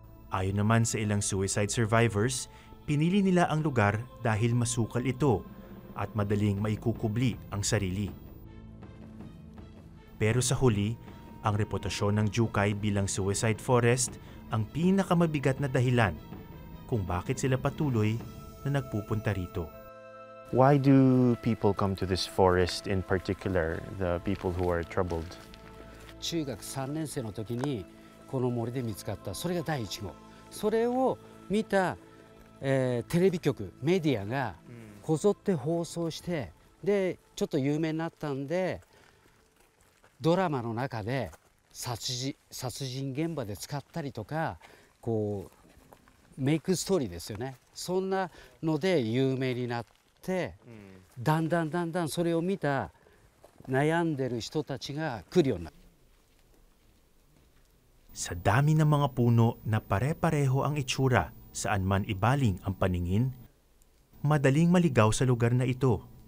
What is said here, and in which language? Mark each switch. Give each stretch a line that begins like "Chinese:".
Filipino: Ayon naman sa ilang suicide survivors, pinili nila ang lugar dahil masukal ito at madaling maikukubli ang sarili. Pero sa huli, Ang reputasyon ng Jukay bilang suicide forest ang pinakamabigat na dahilan kung bakit sila patuloy na nagpupunta rito.
English: Why do people come to this forest in particular, the people who are troubled?
Japanese: 中学3年生の時にこの森で見つかった、それが第1号。それを見た、テレビ局、メディアがこぞって放送して、で、ちょっと有名になったんで、ドラマの中で殺人現場で使ったりとか、こう、メイクストーリーですよね。そんなので有名になって、だんだんだんだんそれを見た悩んでる人たちが来るようになった。
Filipino: Sa dami ng mga puno na pare-pareho ang itsura saan man ibaling ang paningin, madaling maligaw sa lugar na ito.